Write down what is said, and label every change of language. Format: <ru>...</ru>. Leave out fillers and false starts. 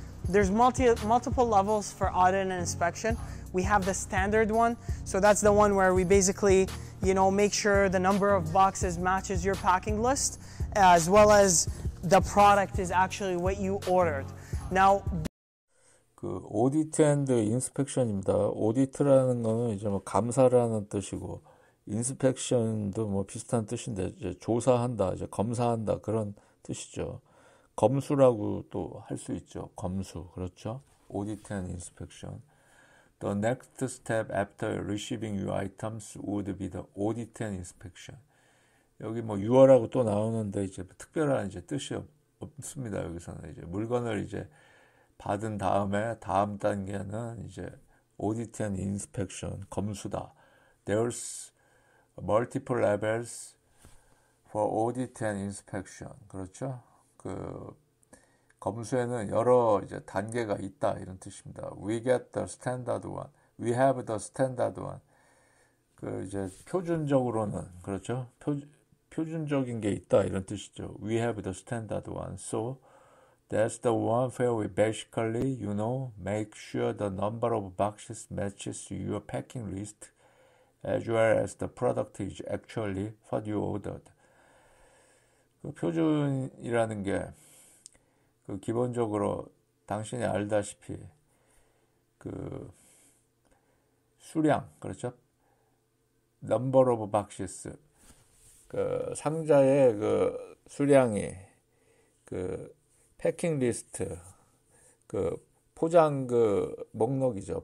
<en>There's multiple levels for audit and inspection. We have the standard one, so that's the one where we basically, make sure the number of boxes matches your packing list, as well as the product is actually what you ordered. Now,</en> <ko>그 오디트 앤드 인스펙션입니다. 오디트라는 거는 이제 뭐 감사라는 뜻이고 인스펙션도 뭐 비슷한 뜻인데 이제 조사한다, 이제 검사한다 그런 뜻이죠. 검수라고 또할수 있죠. 검수. 그렇죠? 오디트 앤 인스펙션.</ko> <en>The next step after receiving your items would be the audit and inspection.</en> <ko>여기 뭐 유어라고 또 나오는데 이제 특별한 이제 뜻이 없습니다. 여기서는 이제 물건을 이제 받은 다음에 다음 단계는 이제</ko> <en>audit and inspection,</en> <ko>검수다.</ko> <en>There's multiple levels for audit and inspection.</en> <ko>그렇죠? 그 검수에는 여러 이제 단계가 있다 이런 뜻입니다.</ko> <en>We get the standard one. We have the standard one.</en> <ko>그 이제 표준적으로는 그렇죠? 표준적인 게 있다 이런 뜻이죠.</ko> <en>We have the standard one. So That's the one where we basically, make sure the number of boxes matches your packing list as well as the product is actually what you ordered.</en> <ko>그 표준이라는 게, 그 기본적으로 당신이 알다시피, 그, 수량, 그렇죠?</ko> <en>Number of boxes.</en> <ko>그 상자의 그 수량이, 그, 패킹 리스트, 그 포장 그 목록이죠.</ko>